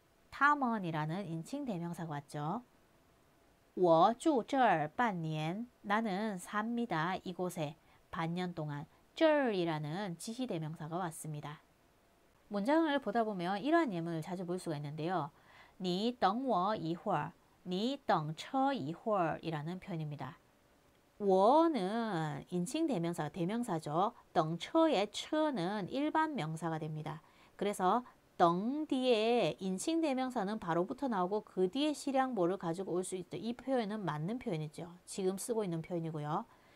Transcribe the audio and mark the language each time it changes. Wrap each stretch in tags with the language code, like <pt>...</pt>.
<ko>他们이라는 인칭 대명사가 왔죠.</ko> <zh>我住这儿半年.</zh> <ko>나는 삽니다. 이곳에 반년 동안. 这儿이라는 지시 대명사가 왔습니다. 문장을 보다 보면 이러한 예문을 자주 볼 수가 있는데요.</ko> <zh>你等我一会儿. 你等车一会儿</zh> <ko>이라는 표현입니다. 我는 인칭 대명사가 대명사죠. 等车의 车는 일반 명사가 됩니다. 그래서 等 뒤에 인칭 대명사는 바로 붙어 나오고 그 뒤에 실향보를 가지고 올수 있다. 이 표현은 맞는 표현이죠. 지금 쓰고 있는 표현이고요.</ko>